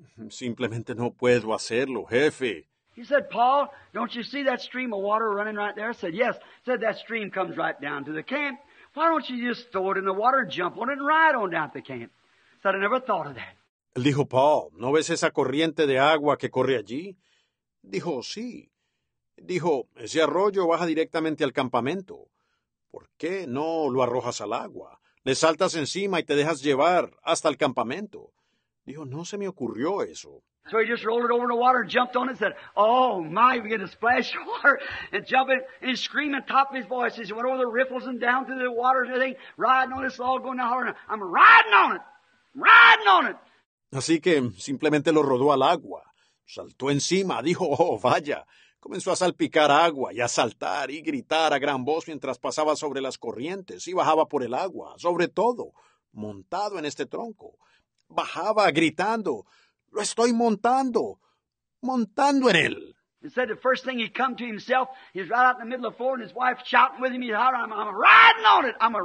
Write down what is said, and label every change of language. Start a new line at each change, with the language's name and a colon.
Spanish: Simplemente no puedo hacerlo, jefe.
English: He said, Paul, don't you see that stream of water running right there? I said, yes. He said, that stream comes right down to the camp. Why don't you just throw it in the water, jump on it, and ride on down to the camp? I said, I never thought of that.
Spanish: Él dijo, Paul, ¿no ves esa corriente de agua que corre allí? Dijo, sí. Dijo, ese arroyo baja directamente al campamento. ¿Por qué no lo arrojas al agua? Le saltas encima y te dejas llevar hasta el campamento. Dijo, no se me ocurrió eso.
English: So he just rolled it over in the water and jumped on it and said, oh, my, he began to splash water and jumping and screaming top of his voice. He went over the riffles and down through the water and everything, riding on this log, going down the water. I'm riding on it. Riding on it.
Spanish: Así que simplemente lo rodó al agua. Saltó encima. Dijo, oh, vaya. Comenzó a salpicar agua y a saltar y gritar a gran voz mientras pasaba sobre las corrientes y bajaba por el agua. Sobre todo, montado en este tronco. Bajaba gritando. Lo estoy montando, montando en él.
English: He said the first thing he come to himself, he's right out in the middle of the floor and his wife shouting with him, he's hollering, I'm riding on it.